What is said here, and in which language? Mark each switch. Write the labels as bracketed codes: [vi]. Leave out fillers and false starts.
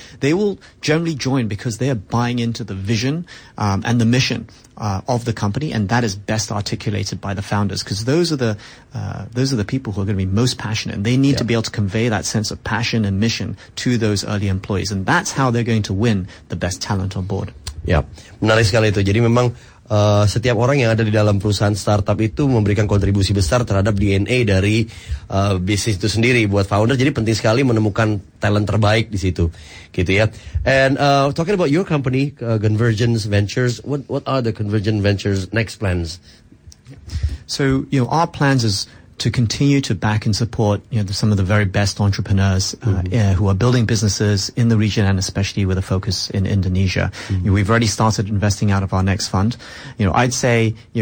[en] They will generally join because they are buying into the vision and the mission of the company, and that is best articulated by the founders because those are the people who are going to be most passionate, and they need to be able to convey that sense of passion and mission to those early employees, and that's how they're going to win the best talent on board. [id] Ya, menarik sekali itu. Jadi memang setiap orang yang ada di dalam perusahaan startup itu memberikan kontribusi besar terhadap DNA dari bisnis itu sendiri buat founder. Jadi penting sekali menemukan talent terbaik di situ, gitu ya. [en] And talking about your company, Convergence Ventures, what are the Convergence Ventures next plans? So, our plans is to continue to back and support, some of the very best entrepreneurs who are building businesses in the region and especially with a focus in Indonesia. Mm-hmm. We've already started investing out of our next fund. I'd say,